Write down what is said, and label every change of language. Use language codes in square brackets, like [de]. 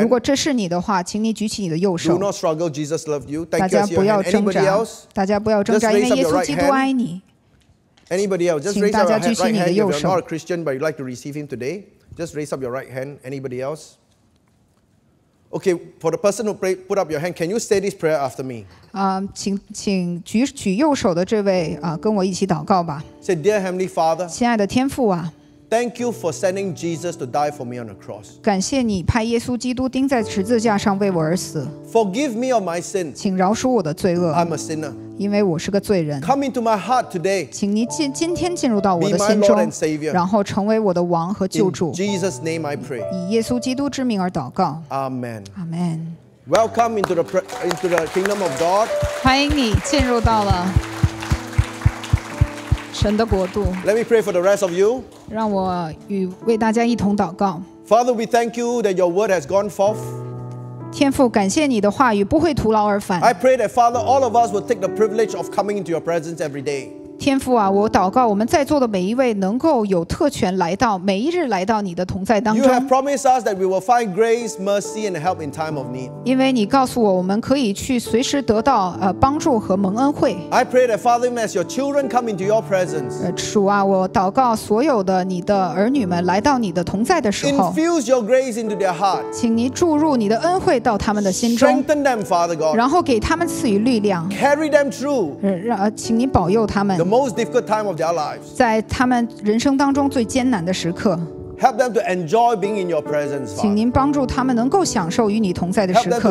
[zh] 如果这是你的话，请你举起你的右手。 [en] Do not struggle. Jesus loved you. [zh] 大家不要挣扎。大家不要挣扎，因为耶稣基督爱你。 [en] Anybody else? Just raise up your right hand. If you're not a Christian but you'd like to receive Him today, just raise up your right hand. Anybody else? Okay, for the person who put up your hand, can you say this prayer after me? [zh] 请举右手的这位跟我一起祷告吧。 [en] Say, Dear Heavenly Father. [zh] 亲爱的天父啊。 [en] Thank you for sending Jesus to die for me on the cross. [zh] 感谢你派耶稣基督钉在十字架上为我而死。 [en] Forgive me of my sin. [zh] 请饶恕我的罪恶。 [en] I'm a sinner. [zh] 因为我是个罪人。 [en] Come into my heart today. [zh] 请你今天进入到我的心中。 [en] Be my Lord and Savior. [zh] 然后成为我的王和救主。 [en] In Jesus' name I pray. [zh] 以耶稣基督之名而祷告。 [en] Amen. Amen. Welcome into the kingdom of God. [zh] 欢迎你进入到了。神的国度 [en] Let me pray for the rest of you. [zh] 让我与为大家一同祷告 [en] Father, we thank you that your word has gone forth. [zh] 天父，感谢你的话语不会徒劳而返 [en] I pray that Father, all of us will take the privilege of coming into your presence every day. [zh] 天父啊，我祷告我们在座的每一位能够有特权来到，每一日来到你的同在当中。 [en] You have promised us that we will find grace, mercy, and help in time of need. [zh] 因为你告诉我，我们可以去随时得到帮助和蒙恩惠。 [en] I pray that Father, as your children come into your presence. [zh] 主啊，我祷告所有的你的儿女们来到你的同在的时候。 [en] Infuse your grace into their heart. [zh] 请你注入你的恩惠到他们的心中。 [en] Strengthen them, Father God. [zh] 然后给他们赐予力量。 [en] Carry them through. [zh] 请你保佑他们。 [en] The most difficult time of their lives. [zh] 在他们人生当中最艰难的时刻。 [en] Help them to enjoy being in your presence. [zh] 请您帮助他们能够享受与你同在的时刻。